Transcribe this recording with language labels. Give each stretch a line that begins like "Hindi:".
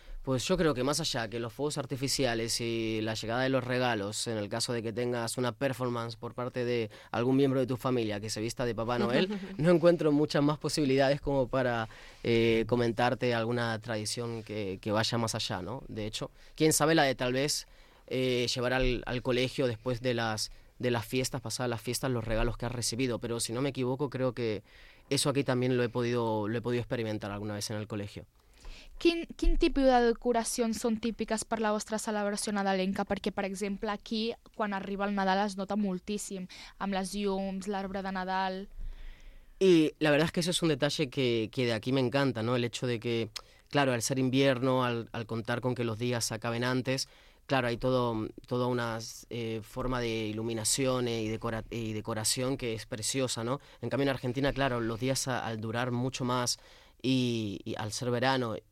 Spanish: Pues yo creo que más allá que los fuegos artificiales y la llegada de los regalos, en el caso de que tengas una performance por parte de algún miembro de tu familia que se vista de Papá Noel, no encuentro muchas más posibilidades como para comentarte alguna tradición que vaya más allá, ¿no? De hecho, quién sabe la de tal vez llevar al colegio después de las fiestas, pasadas las fiestas, los regalos que has recibido. Pero si no me equivoco, creo que eso aquí también lo he podido experimentar alguna vez en el colegio.
Catalan: Quin tipus de decoracions són típiques per la vostra celebració nadalenca? Perquè, per exemple, aquí, quan arriba el Nadal, es nota moltíssim, amb les llums, l'arbre de Nadal...
Spanish: Y la verdad es que eso es un detalle que de aquí me encanta, ¿no? El hecho de que, claro, al ser invierno, al contar con que los días se acaben antes, claro, hay toda una forma de iluminación y decoración que es preciosa, ¿no? En cambio, en Argentina, claro, los días al durar mucho más y al ser verano...